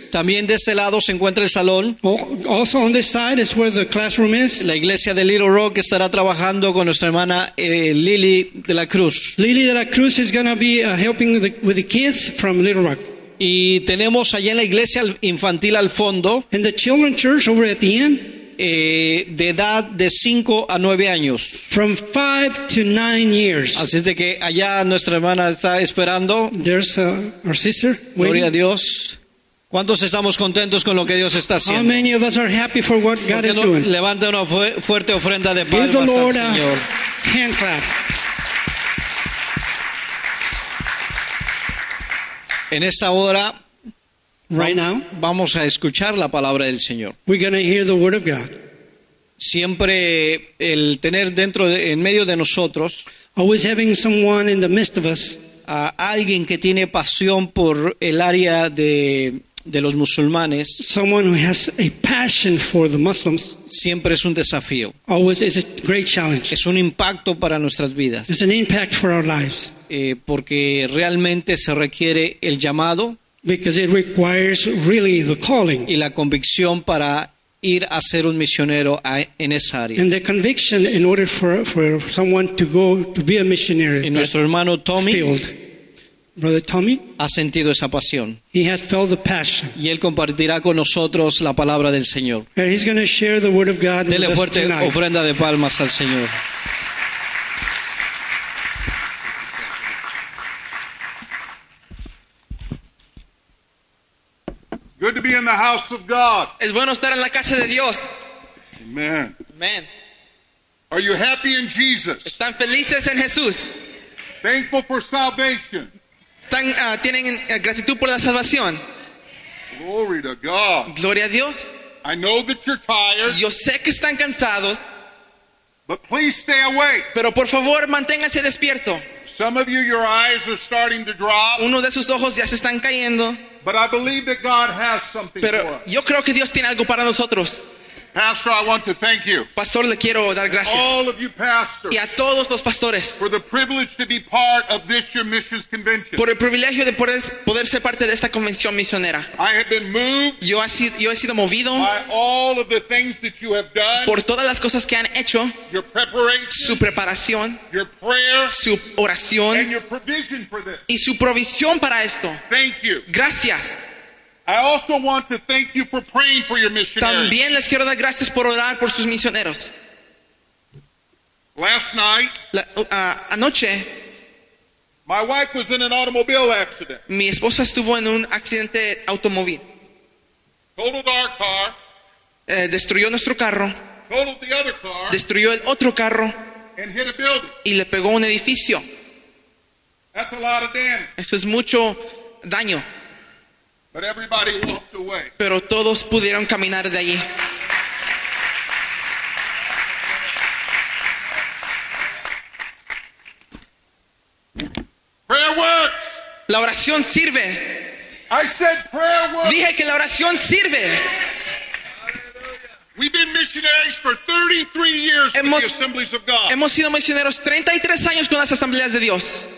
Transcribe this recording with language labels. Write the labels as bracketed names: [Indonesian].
[Spanish] También de este lado se encuentra el salón. [English] Also on this side is where the classroom is. [Spanish] La iglesia de Little Rock estará trabajando con nuestra hermana Lily de la Cruz. [English] Lily de la Cruz is going to be helping with the kids from Little Rock. [Spanish] Y tenemos allá en la iglesia infantil al fondo. [English] And the children church over at the end. [Spanish] De edad de 5 a 9 años. [English] From 5 to 9 years. [Spanish] Así es de que allá nuestra hermana está esperando. [English] There's our sister gloria waiting. [Spanish] A Dios. ¿Cuántos estamos contentos con lo que Dios está haciendo? [English] How many of us are happy for what God is doing? [Spanish] Levanta una fuerte ofrenda de palmas al Señor. [English] Give the Lord a hand clap. [Spanish] En esta hora, [English] right now, [Spanish] vamos a escuchar la palabra del Señor. [English] We're going to hear the word of God. [Spanish] Siempre el tener dentro, en medio de nosotros, [English] always having someone in the midst of us, [Spanish] a alguien que tiene pasión por el área de los musulmanes, [English] someone who has a passion for the Muslims, [Spanish] siempre es un desafío. [English] Always is a great challenge. [Spanish] Es un impacto para nuestras vidas. [English] It's an impact for our lives. [Spanish] Porque realmente se requiere el llamado, [English] because it requires really the calling, [Spanish] y la convicción para ir a ser un misionero en esa área. [English] And the conviction in order for someone to go to be a missionary. [Spanish] Y nuestro hermano Tommy, [English] field. Brother Tommy, [Spanish] ha sentido esa pasión. [English] He has felt the passion. [Spanish] Y él compartirá con nosotros la palabra del Señor. [English] And he's going to share the word of God. [Spanish] Dele fuerte [English] with us tonight. [Spanish] Ofrenda de palmas al Señor. [English] Good to be in the house of God. [Spanish] Es bueno estar en la casa de Dios. [English] Amen. Amen. Are you happy in Jesus? [Spanish] ¿Están felices en Jesús? [English] Thankful for salvation. [Spanish] Están, tienen gratitud por la salvación. [English] Glory to God. [Spanish] Gloria a Dios. [English] I know that you're tired. [Spanish] Yo sé que están cansados. [English] But please stay awake. [Spanish] Pero por favor, manténgase despierto. [English] Some of you, your eyes are starting to drop. [Spanish] Uno de sus ojos ya se están cayendo. [English] But I believe that God has something [Spanish] pero [English] for us. [Spanish] Yo creo que Dios tiene algo para nosotros. [English] Pastor, I want to thank you. [Spanish] Pastor, le quiero dar gracias. [English] All of you pastors. [Spanish] Y a todos los pastores. [English] For the privilege to be part of this year's missions convention. [Spanish] Por el privilegio de poder ser parte de esta convención misionera. [English] I have been moved. [Spanish] Yo he sido movido. [English] By all of the things that you have done. [Spanish] Por todas las cosas que han hecho. [English] Your preparation. [Spanish] Su preparación. [English] Your prayer. [Spanish] Su oración. [English] And your provision for this. [Spanish] Y su provisión para esto. [English] Thank you. [Spanish] Gracias. [English] I also want to thank you for praying for your missionaries. [Spanish] También les quiero dar gracias por orar por sus misioneros. [English] Last night, [Spanish] anoche, [English] my wife was in an automobile accident. [Spanish] Mi esposa estuvo en un accidente automóvil. [English] Totaled our car. [Spanish] Destruyó nuestro carro. [English] Totaled the other car. [Spanish] Destruyó el otro carro. [English] And hit a building. [Spanish] Y le pegó un edificio. [English] That's a lot of damage. [Spanish] Eso es mucho daño. [English] But everybody walked away. [Spanish] Pero todos pudieron caminar de allí. [English] Prayer works. [Spanish] La oración sirve. [English] I said prayer works. [Spanish] Dije que la oración sirve. [English] We've been missionaries for 33 years with the Assemblies of God. [Spanish] Hemos sido misioneros 33 años con las Asambleas de Dios.